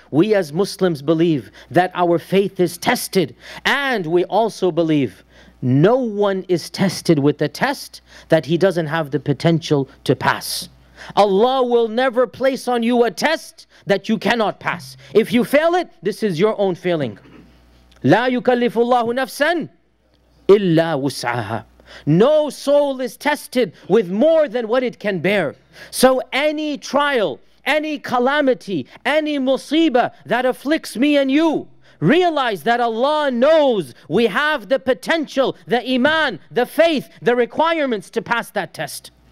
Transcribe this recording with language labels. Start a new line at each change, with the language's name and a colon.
English: We as Muslims believe that our faith is tested, and we also believe no one is tested with a test that he doesn't have the potential to pass. Allah will never place on you a test that you cannot pass. If you fail it, this is your own failing.
Arabic: لا يكلف الله نفسا إلا وسعها.
English: No soul is tested with more than what it can bear. So any trial, any calamity, any musibah that afflicts me and you, realize that Allah knows we have the potential, the iman, the faith, the requirements to pass that test.